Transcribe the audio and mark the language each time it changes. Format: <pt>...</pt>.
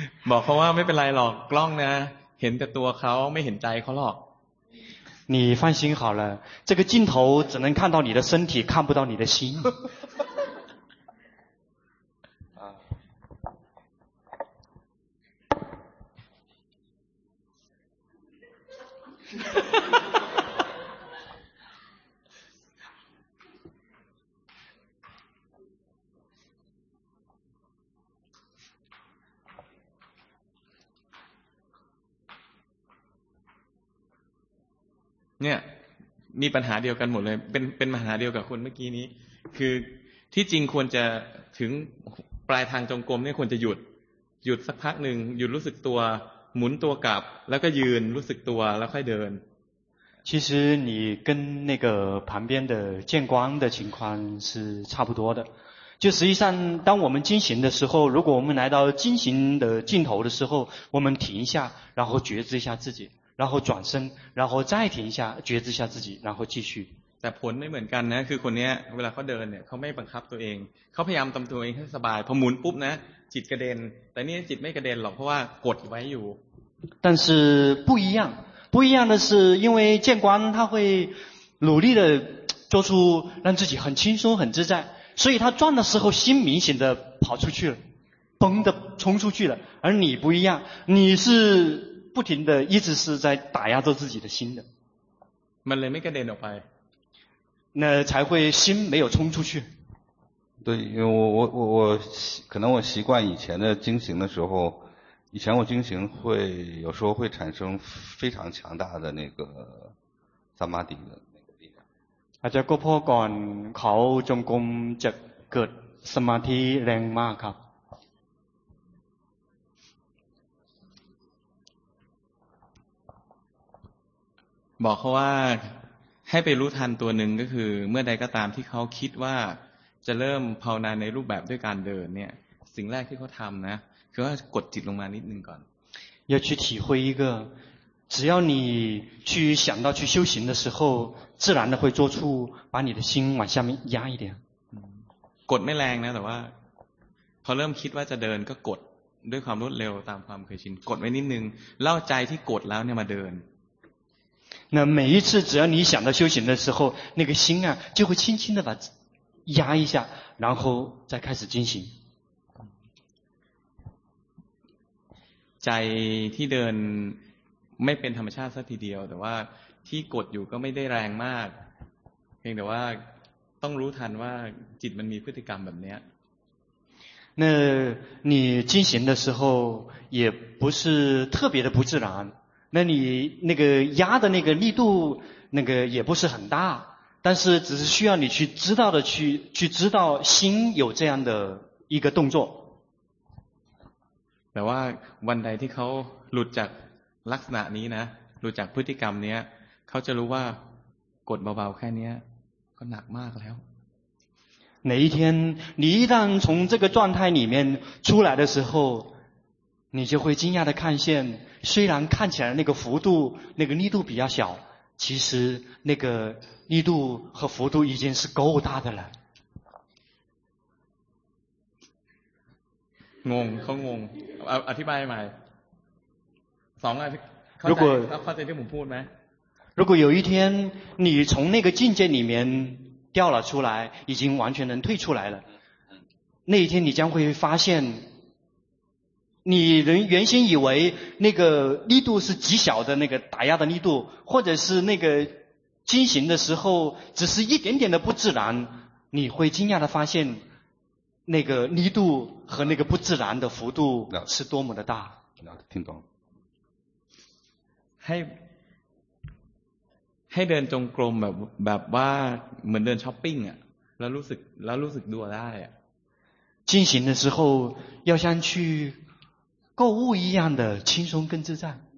<th>บอกเขาว่าไม่เป็นไรหรอกกล้องนะเห็นแต่ตัวเขาไม่เห็นใจเขาหรอก</th> <zh>你放心好了这个镜头只能看到你的身体看不到你的心</zh> <th>เนี่ยมีปัญหาเดียวกันหมดเลยเป็นปัญหาเดียวกับคนเมื่อกี้นี้คือที่จริงควรจะถึงปลายทางจงกรมเนี่ยควรจะหยุดสักพักหนึ่งหยุดรู้สึกตัวหมุนตัวกลับแล้วก็ยืนรู้สึกตัวแล้วค่อยเดิน</th> <zh>其实你跟那个旁边的见光的情况是差不多的就实际上当我们惊醒的时候如果我们来到惊醒的尽头的时候我们停一下然后觉知一下自己然后转身然后再停一下觉知一下自己然后继续</zh> <th>แต่ผลไม่เหมือนกันนะคือคนนี้เวลาเขาเดินเนี่ยเขาไม่บังคับตัวเองเขาพยายามทำตัวเองให้สบายพอหมุนปุ๊บนะ จิตกระเด็นแต่นี่จิตไม่กระเด็นหรอกเพราะว่ากดไว้อยู่</th> <zh>但是不一样不一样的是因为见光他会努力的做出让自己很轻松很自在所以他转的时候心明显的跑出去了崩的冲出去了而你不一样你是不停的一直是在打压着自己的心的</zh> <th>มันเลยไม่กระเด็นออกไป</th> <zh>那才会心没有冲出去对因为我可能我习惯以前的经行的时候以前我经行会有时候会产生非常强大的那个萨玛迪的那个力量</zh> <th>อาจจะก็เพราะก่อนเขาจงกรมจะเกิดสมาธิแรงมากครับ บอกเขาว่าให้ไปรู้ทันตัวหนึ่งก็คือเมื่อใดก็ตามที่เขาคิดว่าจะเริ่มภาวนาในรูปแบบด้วยการเดินเนี่ยสิ่งแรกที่เขาทำนะคือว่ากดจิตลงมานิดนึงก่อน</th> <zh>要去体会一个只要你去想到去修行的时候自然的会做出把你的心往下面压一点</zh> <th>กดไม่แรงนะแต่ว่าพอเริ่มคิดว่าจะเดินก็กดด้วยความรวดเร็วตามความเคยชินกดไว้นิดนึงเล่าใจที่กดแล้วเนี่ยมาเดิน</th> <zh>那每一次只要你想到修行的时候那个心啊就会轻轻的把压一下然后再开始进行</zh> <th>ใจที่เดินไม่เป็นธรรมชาติสักทีเดียวแต่ว่าที่กดอยู่ก็ไม่ได้แรงมากเพียงแต่ว่าต้องรู้ทันว่าจิตมันมีพฤติกรรมแบบนี้</th> <zh>那你进行的时候也不是特别的不自然那你那个压的那个力度那个也不是很大但是只是需要你去知道的去知道心有这样的一个动作</zh> <th>แต่ว่าวันใดที่เขาหลุดจากลักษณะนี้นะหลุดจากพฤติกรรมนี้เขาจะรู้ว่ากดเบาๆแค่นี้ก็หนักมากแล้ว</th> <zh>哪一天你一旦从这个状态里面出来的时候你就会惊讶的看见虽然看起来那个幅度那个力度比较小其实那个力度和幅度已经是够大的了</zh> <th>งงเขางงอธิบายใหม่สองอะไ ร เข้าใจที่ผมพูดไหม</th> <zh>如果有一天你从那个境界里面掉了出来已经完全能退出来了那一天你将会发现你原先以为那个力度是极小的那个打压的力度或者是那个进行的时候只是一点点的不自然你会惊讶的发现那个力度和那个不自然的幅度是多么的大听懂</zh> <th>ให้เดินจงกรมแบบว่าเหมือนเดินช้อปปิ้งอ่ะแล้วรู้สึกดูได้อ่ะ</th> <zh>进行的时候要像去购物一样的轻松跟自在。</zh>